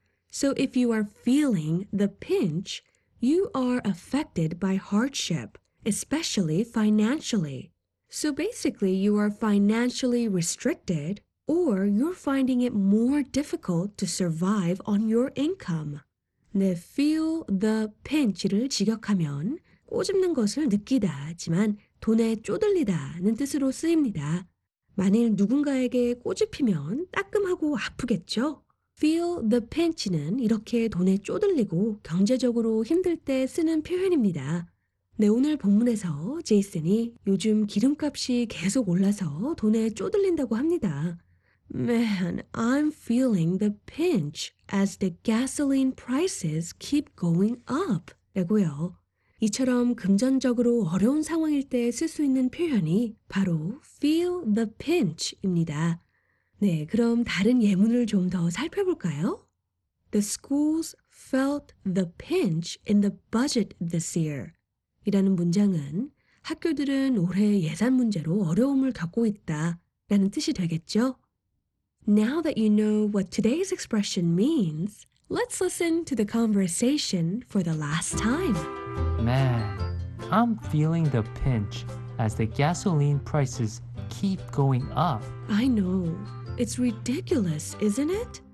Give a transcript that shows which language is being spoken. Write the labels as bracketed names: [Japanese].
[English] So if you are feeling the pinch, you are affected by hardship, especially financially. So basically, you are financially restricted, or you're finding it more difficult to survive on your income. [Korean] 네, [English] feel the pinch [Korean] 를 직역하면 꼬집는 것을 느끼다지만 돈에 쪼들리다는 뜻으로 쓰입니다. 만일 누군가에게 꼬집히면 따끔하고 아프겠죠? [English] Feel the pinch [Korean] 는 이렇게 돈에 쪼들리고 경제적으로 힘들 때 쓰는 표현입니다. 네, 오늘 본문에서 제이슨이 요즘 기름값이 계속 올라서 돈에 쪼들린다고 합니다. [English] Man, I'm feeling the pinch as the gasoline prices keep going up. [Korean] 라고요. 이처럼 금전적으로 어려운 상황일 때 쓸 수 있는 표현이 바로 [English] feel the pinch [Korean] 입니다. 네, 그럼 다른 예문을 좀 더 살펴볼까요? [English] The schools felt the pinch in the budget this year. [Korean] 이라는 문장은 학교들은 올해 예산 문제로 어려움을 겪고 있다 라는 뜻이 되겠죠? [English] Now that you know what today's expression means, let's listen to the conversation for the last time. Man, I'm feeling the pinch as the gasoline prices keep going up. I know. It's ridiculous, isn't it?